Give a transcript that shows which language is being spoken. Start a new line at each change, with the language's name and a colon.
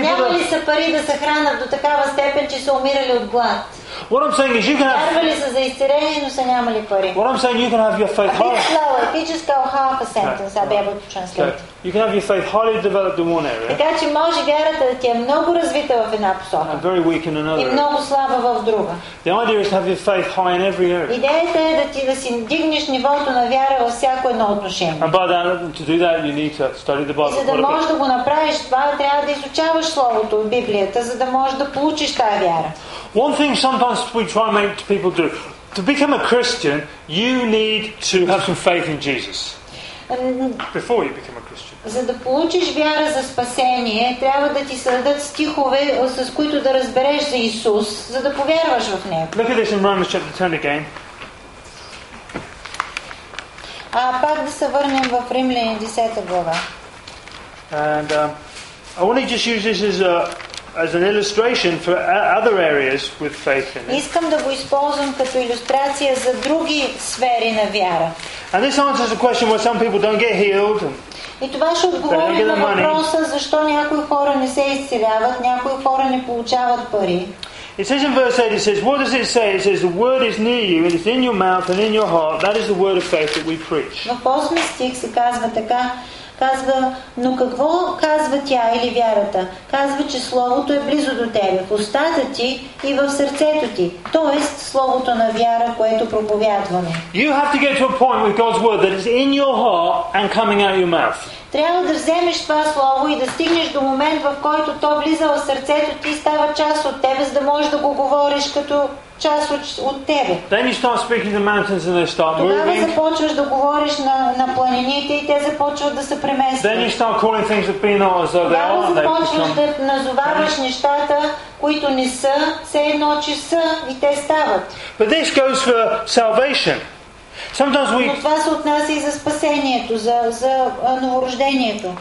Bulgarian: Нямали са пари да се хранят до такава степен, че са умирали от глад.
English: What I'm saying is, you can have.
Bulgarian: Вярвали са за изцерение, но са нямали пари.
English: What I'm saying, you can have your faith. A bit slower. If you just go half a sentence, I'll be able to translate. Okay. You can have your faith highly developed in one area.
Bulgarian: Така че може вярата да ти е много развита в една посока.
English: And very weak in another.
Bulgarian: И много слаба в друга.
English: The idea is to have your faith high in every area.
Bulgarian: Идеята е да си дигнеш нивото на вяра във всяко едно отношение.
English: And by that, to do that, you need to study the Bible.
Bulgarian: Може да го направиш това, трябва да изучаваш Словото в Библията, за да можеш да получиш тая вяра.
English: One thing sometimes we try and make people do. To become a Christian, you need to have some faith in Jesus. Before you become a Christian.
Bulgarian: За да получиш вяра за спасение, трябва да ти следат стихове, с които да разбереш за Исус, за да повярваш в Него.
English: Look at this in Romans chapter 10 again.
Bulgarian: Пак да се върнем в Римляни 10 глава.
English: And I want to just use this as an illustration for other areas with faith in it.
Bulgarian: Искам да го използвам като илюстрация за други сфери на вяра.
English: And this answers a question where some people don't get healed.
Bulgarian: И това ще отговори на въпроса защо някои хора не се изцеляват, някои хора не получават пари.
English: It says in verse 8, it says, what does it say? It says, the word is near you, and it's in your mouth and in your heart. That is the word of faith that we preach.
Bulgarian: Но в 8 стих се казва така, казва, но какво казва тя или вярата? Казва, че Словото е близо до тебе, в устата ти и в сърцето ти. Тоест, Словото на вяра, което проповядваме.
English: You have to get to a point with God's word that is in your heart and coming out your mouth.
Bulgarian: Трябва да вземеш това слово и да стигнеш до момент, в който то влиза в сърцето ти и става част от тебе, за да можеш да го говориш като част от тебе.
English: Then you start speaking to mountains and they start moving.
Bulgarian: Тогава започваш да говориш на планините и те започват да се преместват.
English: Then you start calling things that being not as though they are.
Bulgarian: Тогава започваш да назоваваш нещата, които не са, все едно, че са и те стават.
English: But this goes for salvation. Sometimes we.
Bulgarian: Това се отнася и за спасението, за новорождението.